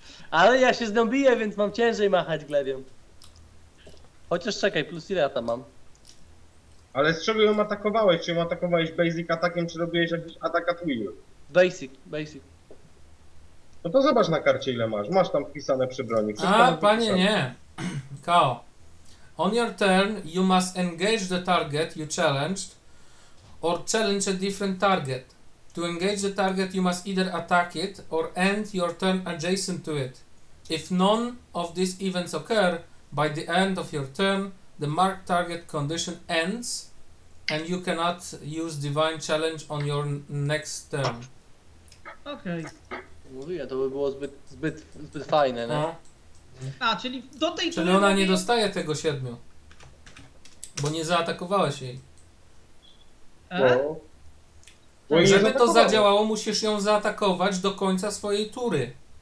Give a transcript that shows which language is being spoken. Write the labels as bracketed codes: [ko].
[pl] Ale ja się z nią biję, więc mam ciężej machać glebią. Chociaż czekaj, plus ile ja tam mam? Ale z czego ją atakowałeś? Czy ją atakowałeś basic atakiem, czy robiłeś jakiś atak at will? Basic. No to zobacz na karcie ile masz. Masz tam wpisane przy broni. Przez a, panie, nie. Kao. [en] On your turn, you must engage the target you challenged or challenge a different target. To engage the target, you must either attack it or end your turn adjacent to it. If none of these events occur, by the end of your turn, the marked target condition ends and you cannot use Divine Challenge on your next turn. [pl] Okej. Mówię, to by było zbyt fajne, nie? A, czyli do tej czyli ona nie dostaje tego 7, bo nie zaatakowałeś jej. E? Żeby to zadziałało, musisz ją zaatakować do końca swojej tury.